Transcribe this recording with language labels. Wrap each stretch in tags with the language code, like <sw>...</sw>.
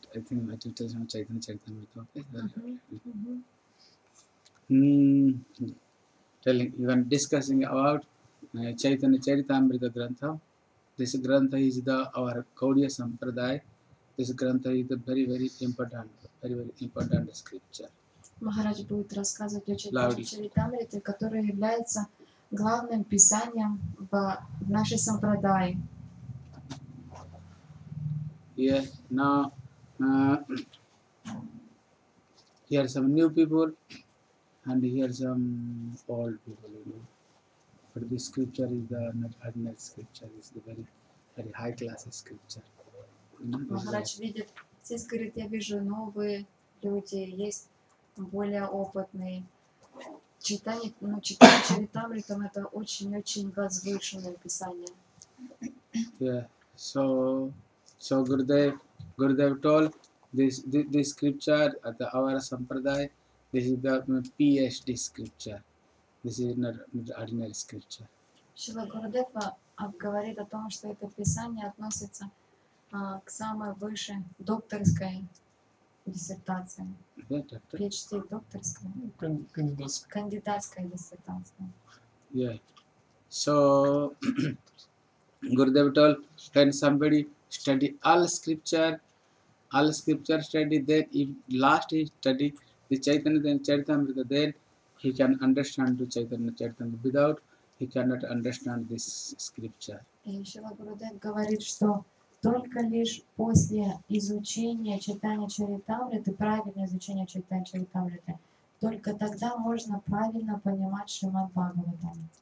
<en>I think my tutor is going to check them with okay? Telling, you are discussing about Chaitanya Charitamrita Grantha. This Grantha is our Gaudiya Sampradaya. This Grantha is the very, very, very important scripture.</en> <ru>Maharaj будет рассказывать о Chaitanya Charitamrita, который является главным писанием в нашей Сампрадайе.</ru> <en>Yeah, now here are some new people. And here some old people, you know. But this scripture is the Nagarjuna scripture, it's the very, very high class scripture.</en> <ru>Махарадж видит, все говорят, я вижу новые люди, есть более опытные. Читание Чаритамриту, это очень-очень возвышенное писание.</ru> <en>Yeah, so Gurudev told, this scripture at the our sampradaya, this is the PhD scripture. This is not ordinary scripture.</en> <ru>Шрила Гурудев говорит о том, что это писание относится к самой высшей докторской диссертации. PhD докторская. Кандидатская диссертация.</ru> <en>Yeah. So Gurudev told, can somebody study all scripture study, then if last he study the Chaitanya, then Charitamrita, then he can understand the Chaitanya Charitamrita. Without, he cannot understand this scripture.</en> <ru>И Шрила Гурудев говорит, что только лишь после изучения Чайтанья Чаритамриты, правильного изучения Чайтанья Чаритамриты, только тогда можно правильно понимать Шримад Бхагаватам.</ru>